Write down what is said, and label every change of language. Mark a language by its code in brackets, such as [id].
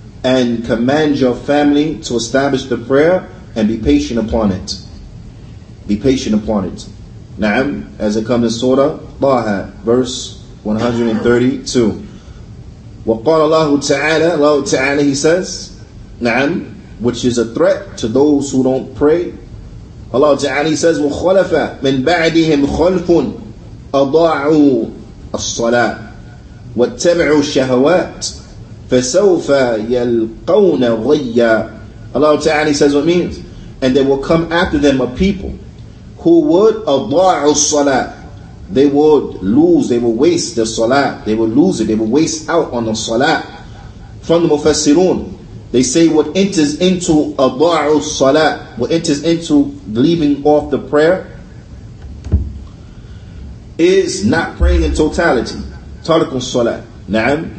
[en] And command your family to establish the prayer and be patient upon it. Be patient upon it. Na'am, as it comes in Surah Taha, verse 132. [ar] وَقَالَ اللَّهُ تَعَالَى. [en] اللَّهُ تَعَالَى, He says, na'am, which is a threat to those who don't pray. Allah Ta'ala, He says, [ar] وَخَلَفَ مِنْ بَعْدِهِمْ خَلْفٌ أضاعوا الصلاة واتبعوا الشهوات فسوف يلقون غيا. [en] Allah Ta'ala says what means, and there will come after them a people who would [ar] أضاعوا الصلاة. [en] They would lose, they will waste the صلاة. They will lose it, they will waste out on the صلاة. From the Mufassirun, they say what enters into [ar] أضاعوا الصلاة, [en] what enters into leaving off the prayer, is not praying in totality. [ar] Tarkul salat. [en] Na'am.